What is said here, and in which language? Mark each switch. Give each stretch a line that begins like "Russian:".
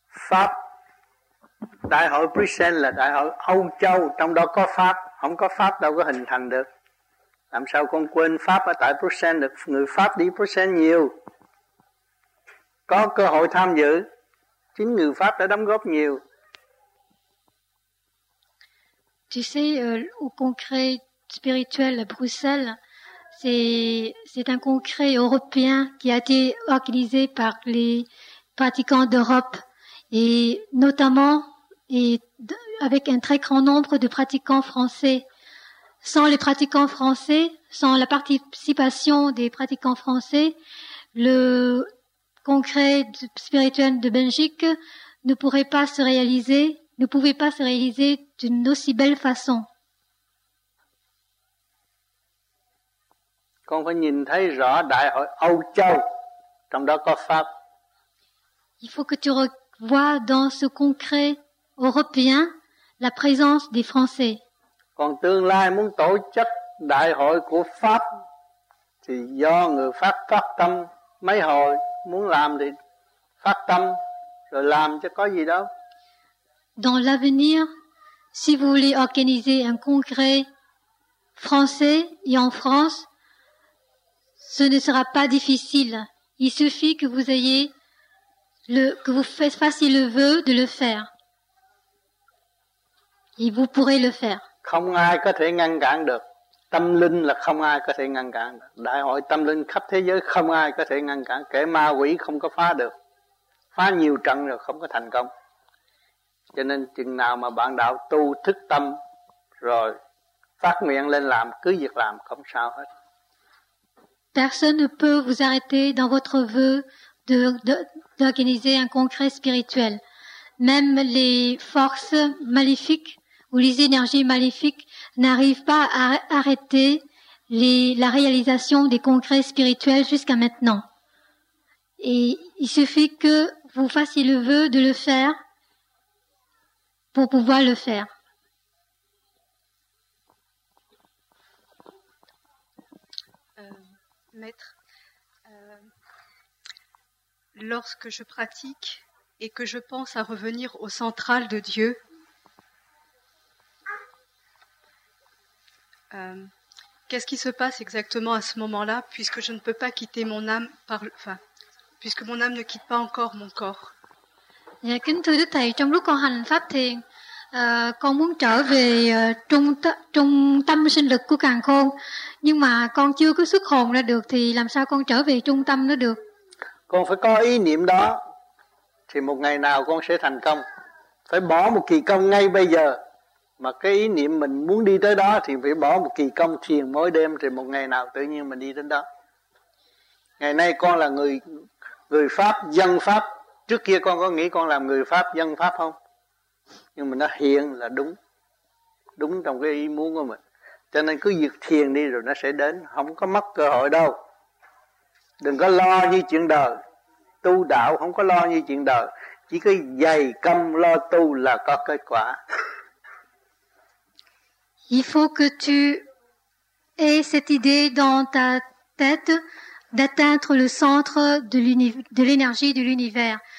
Vietnamese: Pháp, đại hội Brussels là đại hội Âu Châu, trong đó có Pháp, không có Pháp đâu có hình thành được. Làm sao con quên Pháp ở tại Brussels được, người Pháp đi Brussels nhiều, có cơ hội tham dự, chính người Pháp đã đóng góp nhiều.
French: Tu sais, au congrès spirituel à Bruxelles, c'est un congrès européen qui a été organisé par les pratiquants d'Europe et notamment et avec un très grand nombre de pratiquants français. Sans les pratiquants français, sans la participation des pratiquants français, le congrès spirituel de Belgique ne pourrait pas se réaliser, ne pouvait pas se réaliser d'une aussi belle façon.
Vietnamese: Con phải nhìn thấy rõ đại hội Âu Châu, trong đó có Pháp.
French: Il faut que tu revoies dans ce congrès européen la présence des Français.
Vietnamese: Còn tương lai muốn tổ chức đại hội của Pháp thì do người Pháp phát tâm, mấy hồi muốn làm thì phát tâm rồi làm chứ có gì đâu.
French: Dans l'avenir, si vous voulez organiser un congrès français et en France, ce ne sera pas difficile. Il suffit que vous ayez que vous fassiez le vœu de le faire. Et vous pourrez le faire.
Vietnamese: Không ai có thể ngăn cản được. Tâm linh là không ai có thể ngăn cản được. Đại hội tâm linh khắp thế giới không ai có thể ngăn cản. Kẻ ma quỷ không có phá được. Phá nhiều trận rồi không có thành công. Cho nên chừng nào mà bạn đạo tu thức tâm rồi phát nguyện lên làm, cứ việc làm không sao hết.
French: Personne ne peut vous arrêter dans votre vœu d'organiser un congrès spirituel. Même les forces maléfiques ou les énergies maléfiques n'arrivent pas à arrêter la réalisation des congrès spirituels jusqu'à maintenant. Et il suffit que vous fassiez le vœu de le faire pour pouvoir le faire. Maître, lorsque je pratique et que je pense à revenir au central de Dieu, qu'est-ce qui se passe exactement à ce moment-là, puisque je ne peux pas quitter mon âme, puisque mon âme ne quitte pas encore mon corps.
Vietnamese: Kính thưa Đức Thầy, trong lúc con hành pháp thiền, con muốn trở về trung tâm sinh lực của càn khôn. Nhưng mà con chưa có xuất hồn ra được thì làm sao con trở về trung tâm nó được? Con phải có ý niệm đó thì một ngày nào con sẽ thành công. Phải bỏ một kỳ công ngay bây giờ. Mà cái ý niệm mình muốn đi tới đó thì phải bỏ một kỳ công thiền mỗi đêm thì một ngày nào tự nhiên mình đi đến đó. Ngày nay con là người Pháp, dân Pháp. Trước kia con có nghĩ con làm người Pháp, dân Pháp không? Nhưng mà nó hiện là đúng. Đúng trong cái ý muốn của mình. Cho nên cứ việc thiền đi rồi nó sẽ đến, không có mất cơ hội đâu. Đừng có lo như chuyện đời, tu đạo không có lo như chuyện đời, chỉ cái dày công lo tu là có kết quả.
French: Il faut que tu aies cette idée dans ta tête d'atteindre le centre de l'énergie de l'univers.